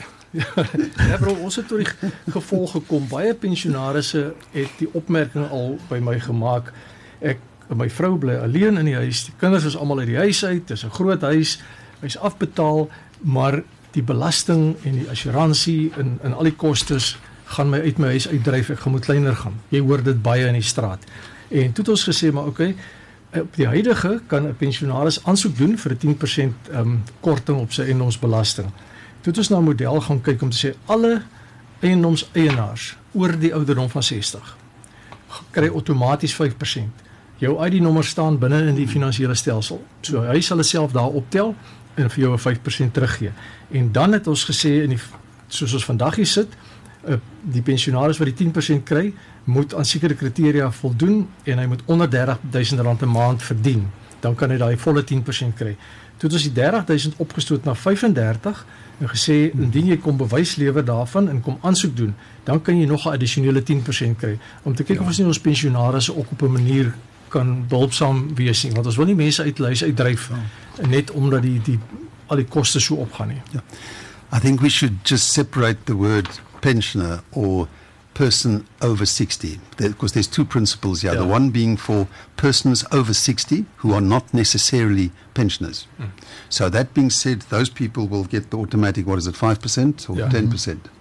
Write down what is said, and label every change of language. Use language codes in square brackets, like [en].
[af] Ja, bro, ons het tot die gevolg gekom. Baie pensionarisse het die opmerking al by my gemaak. Ek en my vrou bly alleen in die huis. Die kinders is allemaal uit die huis uit. Dit is 'n groot huis. Hy is afbetaal, maar die belasting en die assuransie en al die kostes gaan my uit my huis uitdryf. Ek gaan moet kleiner gaan. Jy hoor dit baie in die straat. En toe het ons gesê, maar oké, op die huidige kan een pensionaris aansoek doen vir 10% korting op sy eiendomsbelasting. Toe het ons na model gaan kyk om te sê, alle eiendomseienaars oor die ouderdom van 60, kry automatisch 5%. Jou ID-nommer staan binnen in die finansiële stelsel. So hy sal het self daar optel en vir jou 5% teruggee. En dan het ons gesê, soos ons vandag hier sit, die pensionaris wat die 10% kry, moet aan sekere kriteria voldoen en hy moet onder R30,000 per maand verdien. Dan kan hy die volle 10% kry. Toe het ons die 30,000 opgestoot na 35 en gesê, indien jy kom bewys lewer daarvan en kom aansoek doen, dan kan jy nog 'n additionele 10% kry. Om te kyk of ons nie ons pensionaris ook op 'n manier kan behulpsaam wees nie, want ons wil nie mense uitluis, uitdryf, net omdat die al die koste so opgaan nie. [en] I think we should just separate the word pensioner or person over 60. Because there's two principles here. Yeah. The one being for persons over 60 who are not necessarily pensioners. Mm. So that being said, those people will get the automatic, what is it, 5% or 10%?